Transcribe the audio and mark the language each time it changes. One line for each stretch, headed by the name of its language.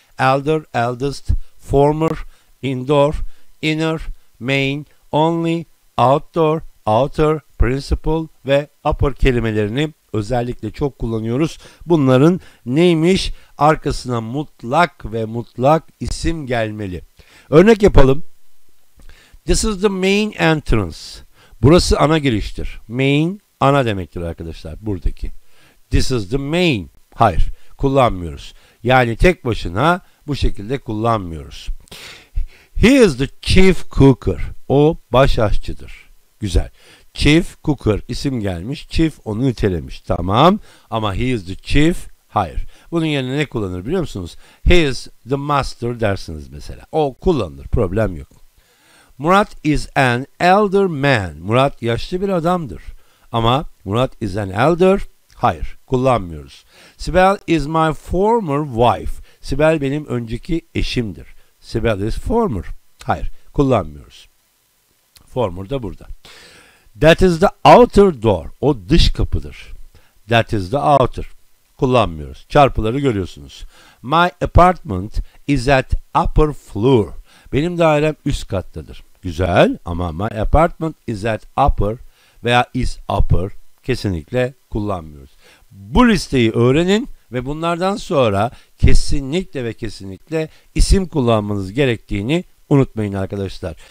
English: elder, eldest, former, indoor, inner, main, only, outdoor, outer, principal ve upper
Turkish: kelimelerini özellikle çok kullanıyoruz. Bunların neymiş? Arkasına mutlak ve mutlak isim gelmeli. Örnek yapalım.
English: This is the main entrance.
Turkish: Burası ana giriştir. Main ana demektir arkadaşlar buradaki.
English: This is the main.
Turkish: Hayır, kullanmıyoruz. Yani tek başına bu şekilde kullanmıyoruz.
English: He is the chief cooker.
Turkish: O baş aşçıdır. Güzel. Chief cooker isim gelmiş. Chief onu nitelemiş. Tamam. Ama
English: he is the chief.
Turkish: Hayır. Bunun yerine ne kullanır biliyor musunuz?
English: He is the master
Turkish: dersiniz mesela. O kullanılır. Problem yok.
English: Murat is an elder man.
Turkish: Murat yaşlı bir adamdır. Ama
English: Murat is an elder.
Turkish: Hayır. Kullanmıyoruz.
English: Sibel is my former wife.
Turkish: Sibel benim önceki eşimdir.
English: Sibel is former.
Turkish: Hayır. Kullanmıyoruz. Former da burada.
English: That is the outer door.
Turkish: O dış kapıdır.
English: That is the outer.
Turkish: Kullanmıyoruz. Çarpıları görüyorsunuz.
English: My apartment is at upper floor.
Turkish: Benim dairem üst kattadır. Güzel ama
English: my apartment is at upper veya is upper
Turkish: kesinlikle kullanmıyoruz. Bu listeyi öğrenin ve bunlardan sonra kesinlikle ve kesinlikle isim kullanmanız gerektiğini unutmayın arkadaşlar.